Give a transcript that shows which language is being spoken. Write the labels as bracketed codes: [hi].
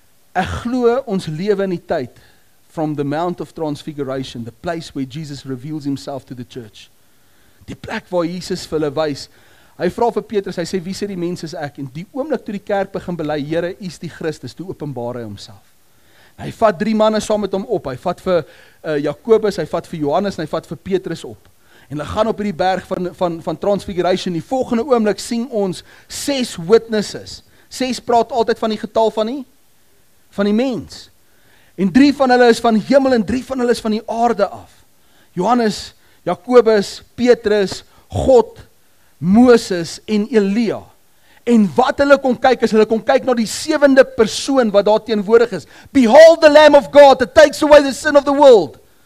[af] Ek glo ons lewe in die tyd, [en] from the Mount of Transfiguration, the place where Jesus reveals himself to the church. [af] Die plek waar Jesus vir hulle wys. Hy vra vir Petrus, hy sê, wie sê die mens is ek? En die oomblik toe die kerk begin bely, Here, U is die Christus, toe openbaar hy homself. Hy vat 3 manne saam met hom op, hy vat vir Jakobus, hy vat vir Johannes, en hy vat vir Petrus op. En hulle gaan op die berg van Transfiguration, die volgende oomblik sien ons 6 witnesses. 6 praat altyd van die getal van die mens. En 3 van hulle is van hemel en 3 van hulle is van die aarde af. Johannes, Jakobus, Petrus, God, Moses en Elia. En wat hulle kon kyk is, hulle kon kyk na die 7de persoon wat daar teenwoordig is. [en] Behold the Lamb of God that takes away the sin of the world.